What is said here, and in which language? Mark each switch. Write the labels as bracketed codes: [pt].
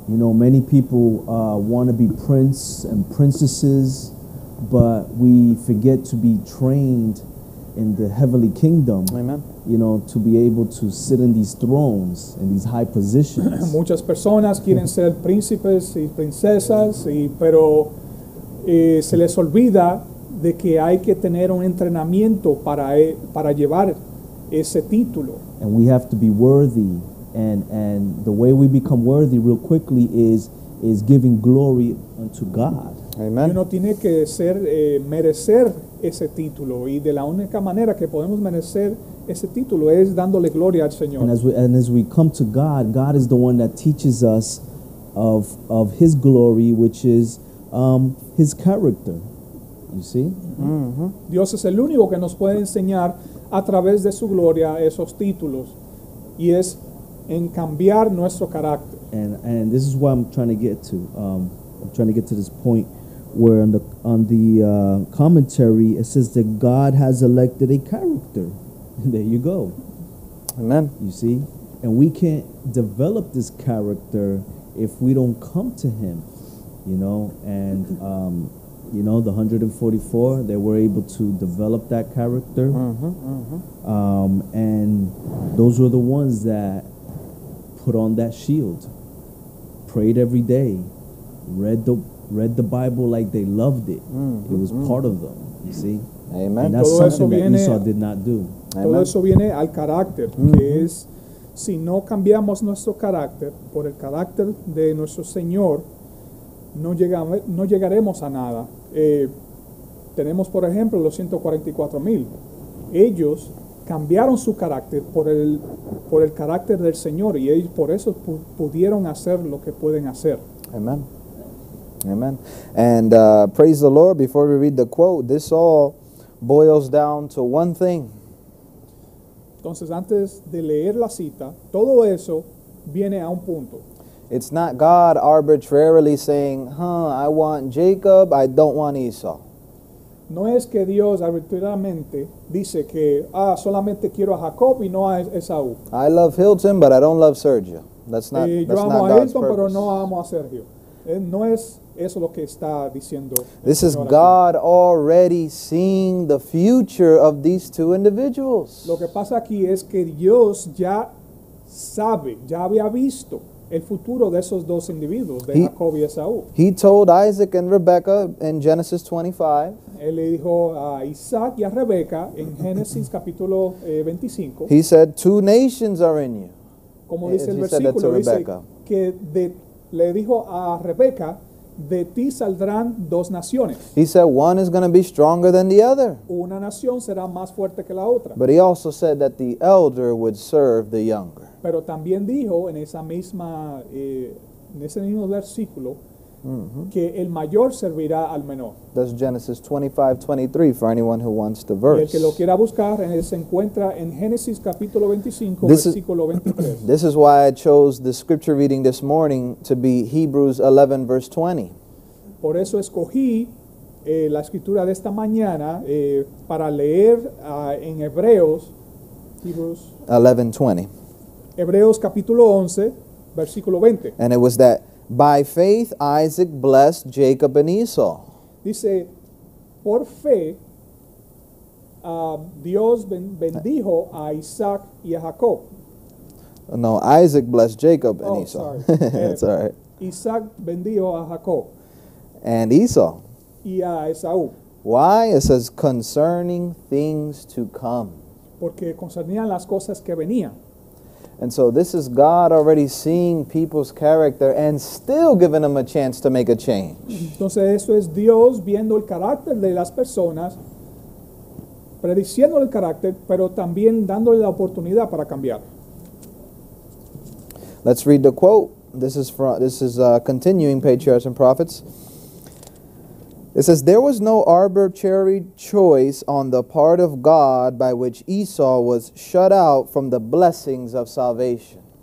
[en] You know, many people want to be prince and princesses, but we forget to be trained in the heavenly kingdom. Amen. You know, to be able to sit in these thrones in these high positions. [es] Muchas personas quieren ser príncipes y princesas, pero se les olvida de que hay que tener un entrenamiento para llevar ese título. [en] And we have to be worthy, and the way we become worthy real quickly is giving glory unto God. Amen. [es] Uno tiene que ser merecer ese título, y de la única manera que podemos merecer ese título es dándole gloria al Señor. [en] And as we come to God, God is the one that teaches us of his glory, which is his character. You see? Mm-hmm. [es] Dios es el único que nos puede enseñar a través de su gloria esos títulos, y es en cambiar nuestro carácter. [en] And this is what I'm trying to get to. I'm trying to get to this point where on the commentary it says that God has elected a character. There you go. Amen. You see? And we can't develop this character if we don't come to him. You know? And, you know, the 144, they were able to develop that character. Mm-hmm, mm-hmm. And those were the ones that put on that shield, prayed every day, read the Bible like they loved it. Mm-hmm, it was mm-hmm. part of them, you see? Amen. And that's [es] todo [en] something [es] viene, [en] that Esau did not do. Amen. [es] Todo eso viene al carácter, mm-hmm. que es, si no cambiamos nuestro carácter por el carácter de nuestro Señor, no llegaremos a nada. Tenemos, por ejemplo, los 144,000. Ellos cambiaron su carácter por el carácter del Señor, y ellos por eso pudieron hacer lo que pueden hacer. [en] Amen. Amen. And praise the Lord, before we read the quote, this all boils down to one thing. [es] Entonces, antes de leer la cita, todo eso viene a un punto. [en] It's not God arbitrarily saying, I want Jacob, I don't want Esau. [es] No es que Dios arbitrariamente dice que, solamente quiero a Jacob y no a Esau. [en] I love Hilton, but I don't love Sergio. That's not God's purpose. [es] Yo amo a Hilton, pero no amo a Sergio. No es eso lo que está diciendo. [en] This is God already seeing the future of these two individuals. [es] Lo que pasa aquí es que Dios ya sabe, ya había visto el futuro de esos dos individuos, de Jacob y Esaú. [en] He told Isaac and Rebekah in Genesis 25. [es] Él le dijo a Isaac y a Rebeca en Génesis capítulo 25. [en] He said, two nations are in you. [es] Como dice el versículo, dice que le dijo a Rebeca, de ti saldrán dos naciones. [en] He said, one is going to be stronger than the other. [es] Una nación será más fuerte que la otra. [en] But he also said that the elder would serve the younger. [es] Pero también dijo en esa misma, en ese mismo versículo, mm-hmm. que el mayor servirá al menor. [en] That's Genesis 25:23 for anyone who wants the verse. [es] Y el que lo quiera buscar, se encuentra en Génesis capítulo 25, [en] this [es] versículo 23. [en] This is why I chose the scripture reading this morning to be Hebrews 11, verse 20. [es] Por eso escogí la escritura de esta mañana para leer en Hebreos, Hebrews [en] 11, 20. [es] Hebreos capítulo 11, versículo 20. [en] And it was that by faith Isaac blessed Jacob and Esau. [es] Dice, por fe, Dios bendijo a Isaac y a Jacob. [en] No, Isaac blessed Jacob and Esau. Sorry. That's all right. [es] Isaac bendijo a Jacob. [en] And Esau. [es] Y a Esau. [en] Why? It says, concerning things to come. [es] Porque concernían las cosas que venían. [en] And so this is God already seeing people's character and still giving them a chance to make a change. [es] Entonces eso es Dios viendo el carácter de las personas, prediciendo el carácter, pero también dándole la oportunidad para cambiar. [en] Let's read the quote. This is continuing Patriarchs and Prophets. It says, there was no arbitrary choice on the part of God by which Esau was shut out from the blessings of salvation.